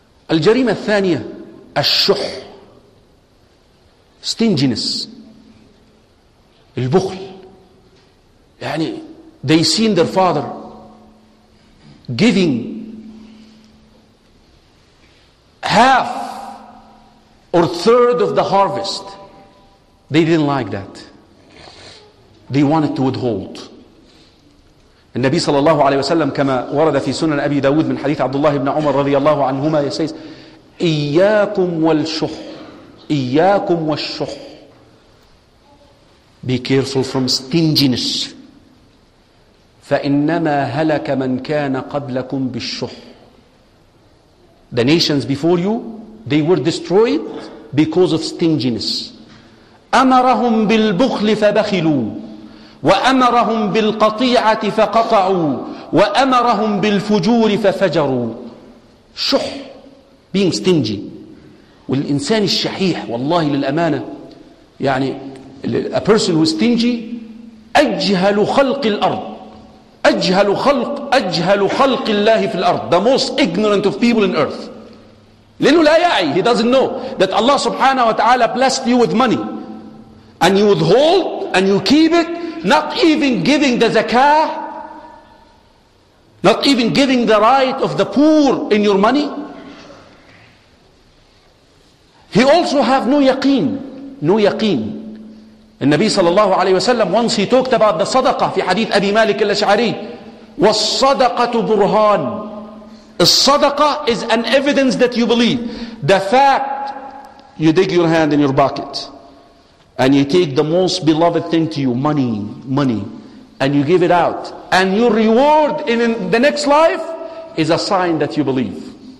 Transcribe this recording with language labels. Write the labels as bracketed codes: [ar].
[ar] الجريمة الثانية الشح stinginess البخل. [en] يعني they seen their father giving half or third of the harvest. They didn't like that. They wanted to withhold. [ar] النبي صلى الله عليه وسلم كما ورد في سنن أبي داود من حديث عبد الله بن عمر رضي الله عنهما يسيس إياكم والشح. إياكم والشح. [en] Be careful from stinginess. [ar] فإنما هلك من كان قبلكم بالشح. [en] The nations before you, they were destroyed because of stinginess. [ar] أمرهم بالبخل فبخلوا وأمرهم بالقطيعة فقطعوا وأمرهم بالفجور ففجروا. شح. [en] Being stingy. [ar] والإنسان الشحيح والله للأمانة يعني [en] a person who is stingy [ar] أجهل خلق الأرض. أجهل خلق الله في الأرض. [en] The most ignorant of people in earth. [ar] لأنه لا يعي. [en] He doesn't know that Allah سبحانه وتعالى blessed you with money and you withhold and you keep it, not even giving the zakah, not even giving the right of the poor in your money. He also have no yaqeen. No yaqeen. [ar] النبي صلى الله عليه وسلم [en] once he talked about the sadaqah [ar] في حديث أبي مالك الأشعري والصدقة برهان. [en] الصدقه is an evidence that you believe. The fact you dig your hand in your pocket and you take the most beloved thing to you, money, and you give it out, and your reward in the next life is a sign that you believe.